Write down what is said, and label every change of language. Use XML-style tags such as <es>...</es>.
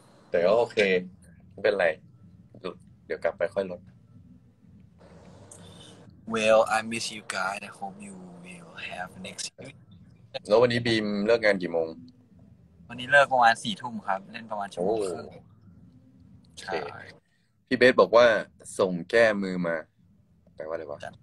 <th>แต่ก็โอเคไม่เป็นไรเดี๋ยวกลับไปค่อยลด</th> <en>Well I miss you guys I hope you will have next</en> <th>แล้ววันนี้บีมเลิกงานกี่โมง วันนี้เลิกประมาณ4ทุ่มครับเล่นประมาณชั่วโมงครึ่ง พี่เบสบอกว่าส่งแก้มือมาแปลว่าอะไรวะ</th>